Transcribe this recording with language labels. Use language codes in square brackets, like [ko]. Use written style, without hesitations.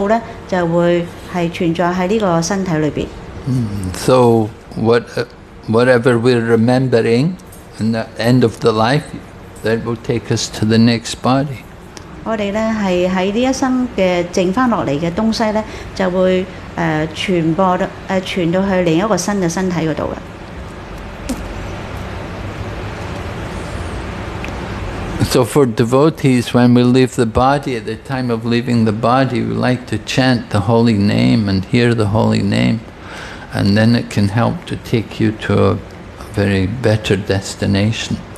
[zh] 是的，我们的以往的心意、假我、智慧是在灵魂那里的。他们灵魂投生去一个新的身体的时候，这些正化的元素就会存在在这个身体里面。 [en] So, whatever we're remembering in the end of the life, that will take us to the next body. [zh] 我们是在这一生剩下来的东西，就会 傳到去另一個新的身體那裡。 [en] So for devotees, when we leave the body, at the time of leaving the body, we like to chant the holy name and hear the holy name, and then it can help to take you to a very better destination.